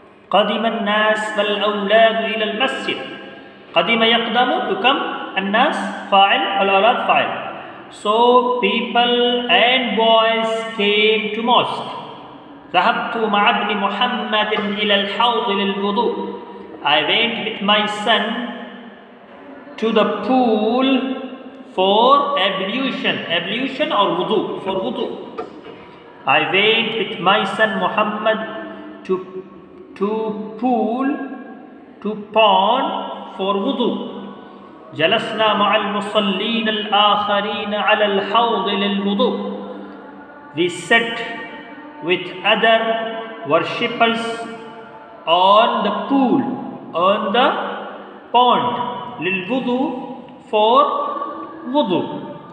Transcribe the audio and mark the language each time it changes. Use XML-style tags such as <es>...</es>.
<ar>قدم الناس والأولاد إلى المسجد. قدم يقدم</ar> <en>to come.</en> <ar>الناس فاعل, الأولاد فاعل.</ar> <en>So people and boys came to mosque.</en> <ar>ذهبت مع ابن محمد إلى الحوض للوضوء.</ar> <en>I went with my son to the pool for ablution. Ablution or wudu, for wudu. I went with my son Muhammad to pond for wudu.</en> <ar>جلسنا مع المصلين الآخرين على الحوض للوضوء.</ar> <en>We sat with other worshippers on the pool, on the pond,</en> <ar>للوضوء,</ar> <en>for wudu.</en>